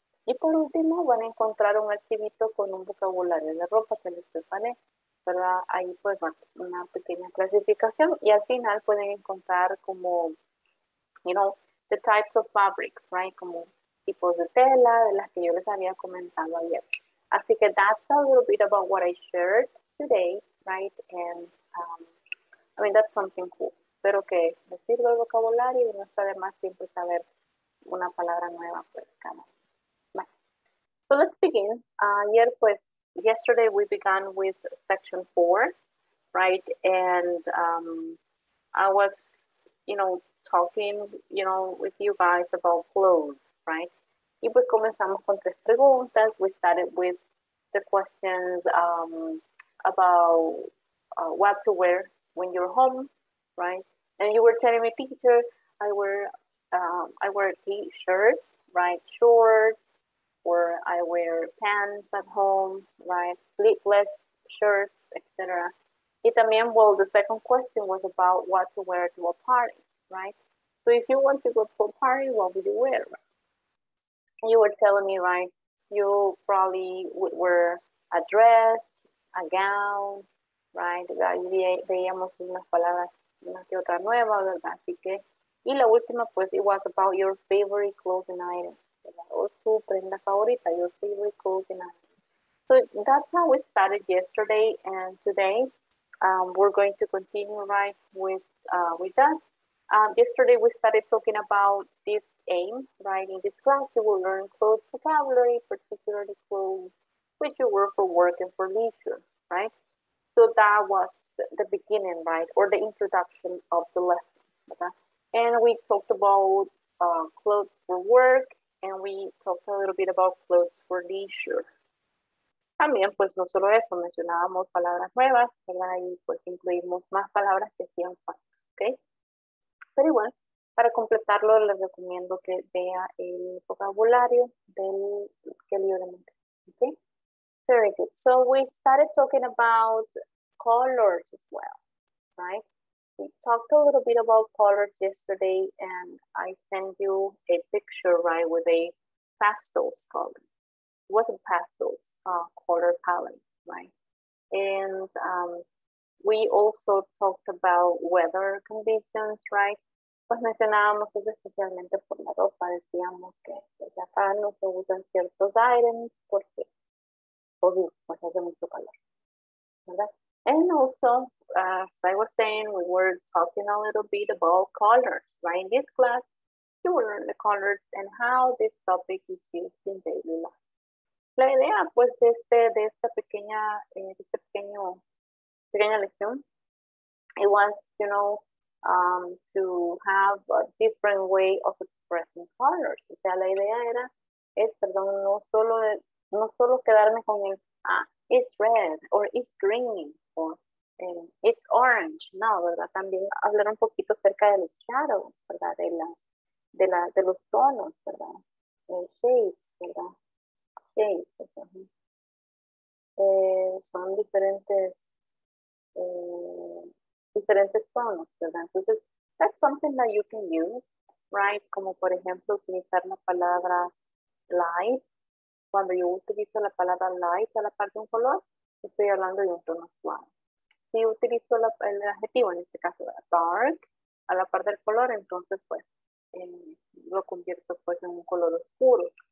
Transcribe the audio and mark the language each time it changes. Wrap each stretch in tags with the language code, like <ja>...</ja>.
<es>Y por último, van a encontrar un archivito con un vocabulario de ropa que les preparé, ¿verdad? Ahí pues van una pequeña clasificación y al final pueden encontrar como,</es> <en>the types of fabrics, right?</en> <es>Como tipos de tela, de las que yo les había comentado ayer. Así que</es> <en>that's a little bit about what I shared today, right? And I mean, that's something cool.</en> <es>Espero que me sirva el vocabulario y no está de más siempre saber una palabra nueva, pues, cada vez.</es> <en>So let's begin.</en> <es>Ayer, pues,</es> <en>yesterday we began with section 4, right? And I was, talking, with you guys about clothes, right?</en> <es>Y pues comenzamos con tres preguntas.</es> <en>We started with the questions about what to wear when you're home, right? And you were telling me, teacher, I wear t-shirts, right? Shorts, or I wear pants at home, right? Sleeveless shirts, etc.</en> <es>Y también,</es> <en>well, the second question was about what to wear to a party, right? So if you want to go to a party, what would you wear? You were telling me, right, you probably would wear a dress, a gown, right?</en> <es>Veíamos unas palabras, una que otra nueva, ¿verdad? Así que, y la última, pues,</es> <en>it was about your favorite clothing item.</en> <es>O su prenda favorita,</es> <en>your favorite clothing item. So that's how we started yesterday and today. We're going to continue, right, with that. Yesterday, we started talking about this aim, right? In this class, you will learn clothes vocabulary, particularly clothes which you wear for work and for leisure, right? So that was the beginning, right? Or the introduction of the lesson, okay? And we talked about clothes for work, and we talked a little bit about clothes for leisure.</en> <es>También, pues, no solo eso, mencionábamos palabras nuevas, ¿verdad? Y, pues, incluimos más palabras que hacían falta, okay? Pero igual, para completarlo, les recomiendo que vea el vocabulario del que le dio.</es> <en>Okay? Very good. So we started talking about colors as well, right? We talked a little bit about colors yesterday, and I sent you a picture, right, with a pastels color. It wasn't pastels, color palette, right? And we also talked about weather conditions, right?</en> <es>Pues mencionábamos eso especialmente por la ropa, decíamos que ya para no se usan ciertos items porque, obvio, pues hace mucho calor, ¿verdad?</es> <en>And also, as I was saying, we were talking a little bit about colors, right? In this class, you will learn the colors and how this topic is used in daily life.</en> <es>La idea, pues, de esta pequeña lección,</es> <en>it was, to have a different way of expressing colors.</en> <es>O sea, la idea era es, perdón, no solo quedarme con el,</es> <en>it's red, or it's green, or it's orange,</en> <es>no, ¿verdad? También hablar un poquito acerca de los shadows, ¿verdad? De los tonos, ¿verdad? Shades, ¿verdad? Shades, son diferentes tonos, ¿verdad? Entonces,</es> <en>that's something that you can use, right?</en> <es>Como por ejemplo, utilizar la palabra light. Cuando yo utilizo la palabra light a la par de un color, estoy hablando de un tono suave. Si utilizo el adjetivo, en este caso, dark, a la par del color, entonces, pues, lo convierto, pues, en un color oscuro.</es>